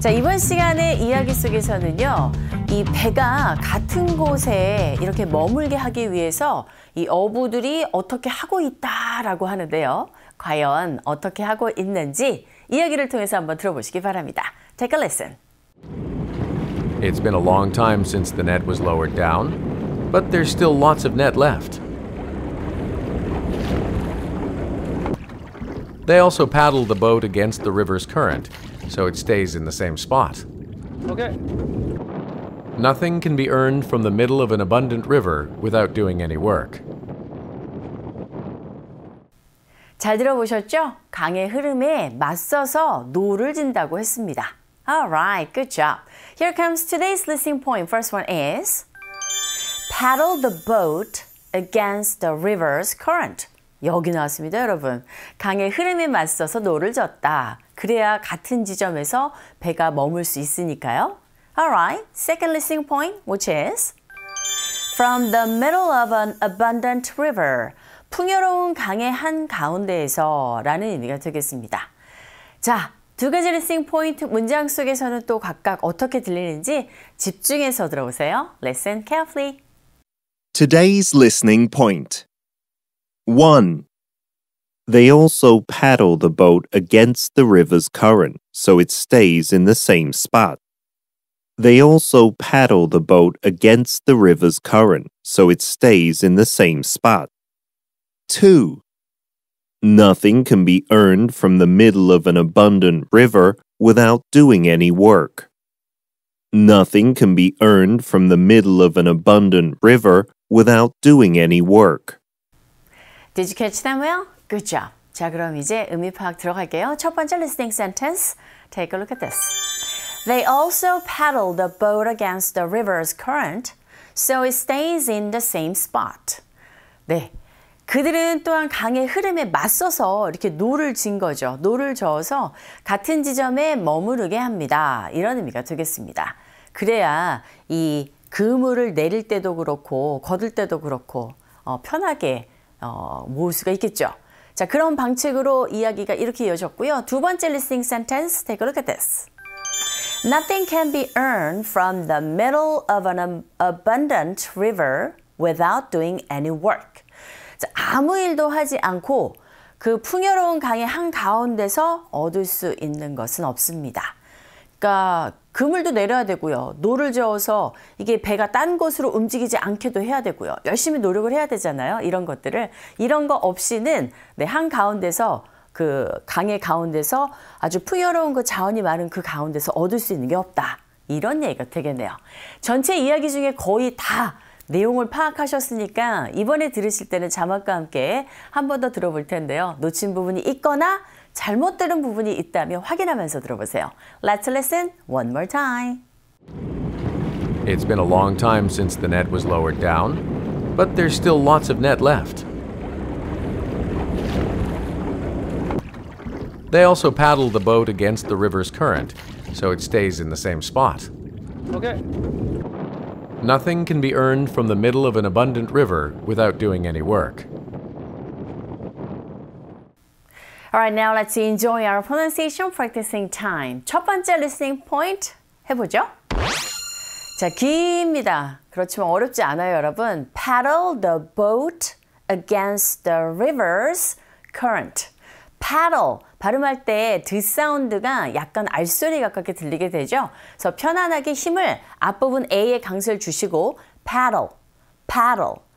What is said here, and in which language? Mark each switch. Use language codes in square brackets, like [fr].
[ko] 자, 이번 시간의 이야기 속에서는요, 이 배가 같은 곳에 이렇게 머물게 하기 위해서 이 어부들이 어떻게 하고 있다라고 하는데요. 과연 어떻게 하고 있는지 이야기를 통해서 한번 들어보시기 바랍니다. [en] Take a listen. It's been a long time since the net was lowered down, but there's still lots of net left. They also paddle the boat against the river's current, so it stays in the same spot. Okay. Nothing can be earned from the middle of an abundant river without doing any work. [ko] 잘 들어보셨죠? 강의 흐름에 맞서서 노를 진다고 했습니다. [en] Alright, good job. Here comes today's listening point. First one is paddle the boat against the river's current. [ko] 여기 나왔습니다, 여러분. 강의 흐름에 맞서서 노를 젓다. 그래야 같은 지점에서 배가 머물 수 있으니까요. [en] Alright, second listening point, which is from the middle of an abundant river. [ko] 풍요로운 강의 한 가운데에서 라는 의미가 되겠습니다. 자, 두 가지 listening point 문장 속에서는 또 각각 어떻게 들리는지 집중해서 들어보세요. [en] Listen carefully. Today's listening point. 1. They also paddle the boat against the river's current, so it stays in the same spot. They also paddle the boat against the river's current, so it stays in the same spot. 2. Nothing can be earned from the middle of an abundant river without doing any work. Nothing can be earned from the middle of an abundant river without doing any work. Did you catch them well? Good job. [ko] 자, 그럼 이제 의미 파악 들어갈게요. 첫 번째 [en] listening sentence. Take a look at this. They also paddle the boat against the river's current, so it stays in the same spot. [ko] 네, 그들은 또한 강의 흐름에 맞서서 이렇게 노를 진 거죠. 노를 저어서 같은 지점에 머무르게 합니다. 이런 의미가 되겠습니다. 그래야 이 그물을 내릴 때도 그렇고 걷을 때도 그렇고 편하게 모을 수가 있겠죠. 자, 그런 방책으로 이야기가 이렇게 이어졌고요. 두 번째 [en] listening sentence, take a look at this. Nothing can be earned from the middle of an abundant river without doing any work. [ko] 자, 아무 일도 하지 않고 그 풍요로운 강의 한가운데서 얻을 수 있는 것은 없습니다. 그러니까 그물도 내려야 되고요. 노를 저어서 이게 배가 딴 곳으로 움직이지 않게도 해야 되고요. 열심히 노력을 해야 되잖아요. 이런 것들을. 이런 거 없이는 네, 한 가운데서 그 강의 가운데서 아주 풍요로운 그 자원이 많은 그 가운데서 얻을 수 있는 게 없다. 이런 얘기가 되겠네요. 전체 이야기 중에 거의 다 내용을 파악하셨으니까 이번에 들으실 때는 자막과 함께 한 번 더 들어볼 텐데요. 놓친 부분이 있거나 잘못 들은 부분이 있다면 확인하면서 들어보세요. [en] Let's listen one more time. It's been a long time since the net was lowered down, but there's still lots of net left. They also paddle the boat against the river's current, so it stays in the same spot. Okay. Nothing can be earned from the middle of an abundant river without doing any work. Alright, now let's enjoy our pronunciation practicing time. [ko] 첫 번째 listening point 해보죠. 자, 기입니다. 그렇지만 어렵지 않아요, 여러분. [en] Paddle the boat against the river's current. [ko] Paddle, 발음할 때 드 사운드가 약간 알소리 가깝게 들리게 되죠. 그래서 편안하게 힘을 앞부분 A에 강세를 주시고 paddle, paddle.